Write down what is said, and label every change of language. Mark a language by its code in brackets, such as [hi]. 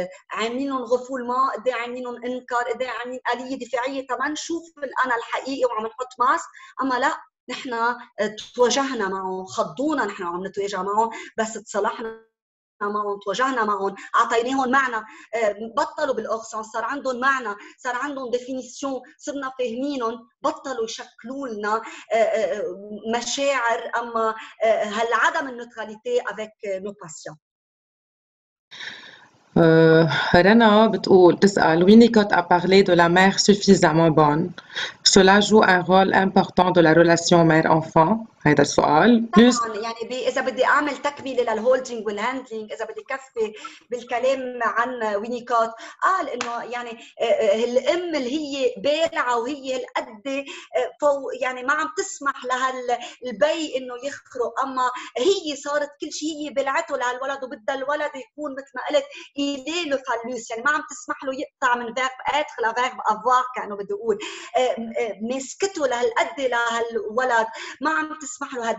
[ar] عاملينهم غفول ما، قد ايه عاملينهم انكار، قد ايه عاملين اليه دفاعيه تما نشوف الانا الحقيقي وعم نحط ماسك، اما لا نحن تواجهنا معه، خضونا نحن عم نتواجه معه، بس تصالحنا معهم، تواجهنا معهم، اعطيناهم معنى، بطلوا بالاغسون، صار عندهم معنى، صار عندهم ديفينيسيون، صرنا فاهمينهم، بطلوا يشكلوا لنا مشاعر اما هالعدم النوتراليتي افيك نو باسيون. [fr] Rena [ar] بتقول تسأل [fr] Winnicott a parlé de la mère suffisamment bonne. Cela joue un rôle important de la relation mère-enfant. [ar] هذا السؤال. [en] Plus [ar] طبعا يعني اذا بدي اعمل تكمله للهولدنج والهاندلنج، اذا بدي كفي بالكلام عن وينيكوت، قال انه يعني الام اللي هي بالعه وهي هالقد فوق، يعني ما عم تسمح لهالبي انه يخرق، اما هي صارت كل شيء، هي بلعته لهالولد وبدها الولد يكون مثل ما قلت ايلي لو فالوس، يعني ما عم تسمح له يقطع من فيرب اتخ لفيرب افواغ، كانه بده يقول ماسكته لهالقد لهالولد، ما عم تسمح له.